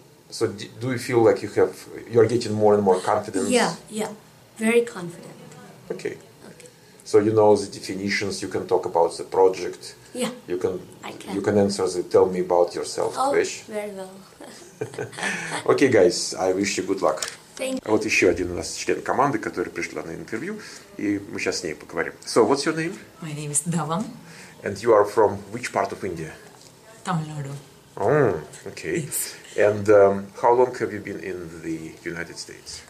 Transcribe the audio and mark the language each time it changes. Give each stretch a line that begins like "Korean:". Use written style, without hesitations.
English: So do you feel like you're getting more and more confidence? Yeah. Very confident. Okay. So you know the definitions, you can talk about the project. Yeah, I can. You can answer the tell me about yourself question. Oh, very well. Okay, guys, I wish you good luck. Thank you.
Russian: Вот еще один у нас член команды, который пришла на интервью, и мы сейчас с ней поговорим.
English: So, what's your name? My name is Dhawan. And you are from which part of India? Tamil Nadu. Oh, okay. Yes. And how long have you been in the United States?